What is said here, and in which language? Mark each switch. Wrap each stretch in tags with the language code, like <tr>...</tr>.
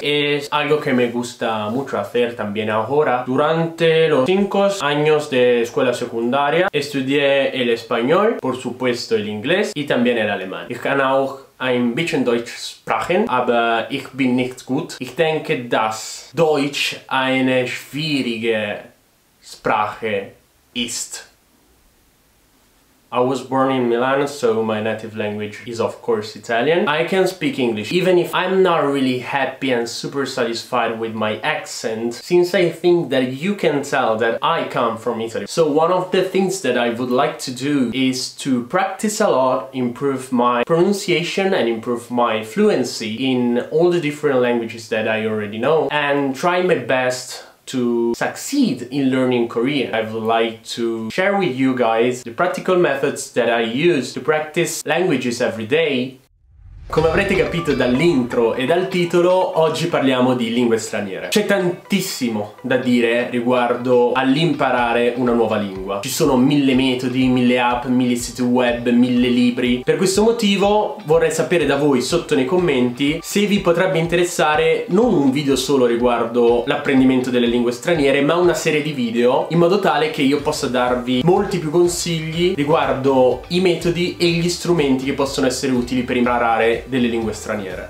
<es>Es algo que me gusta mucho hacer también ahora. Durante los 5 años de escuela secundaria, estudié el español, por supuesto, el inglés. Y también el alemán.</es> <de>Ich kann auch ein bisschen Deutsch sprechen, aber ich bin nicht gut. Ich denke, dass Deutsch eine schwierige Sprache ist.</de> <en>I was born in Milan, so my native language is of course Italian. I can speak English, even if I'm not really happy and super satisfied with my accent, since I think that you can tell that I come from Italy. So one of the things that I would like to do is to practice a lot, improve my pronunciation and improve my fluency in all the different languages that I already know, and try my best to succeed in learning Korean. I would like to share with you guys the practical methods that I use to practice languages every day.</en> <it>Come avrete capito dall'intro e dal titolo, oggi parliamo di lingue straniere. C'è tantissimo da dire riguardo all'imparare una nuova lingua. Ci sono mille metodi, mille app, mille siti web, mille libri. Per questo motivo vorrei sapere da voi sotto nei commenti se vi potrebbe interessare non un video solo riguardo l'apprendimento delle lingue straniere, ma una serie di video in modo tale che io possa darvi molti più consigli riguardo i metodi e gli strumenti che possono essere utili per imparare delle lingue straniere.</it>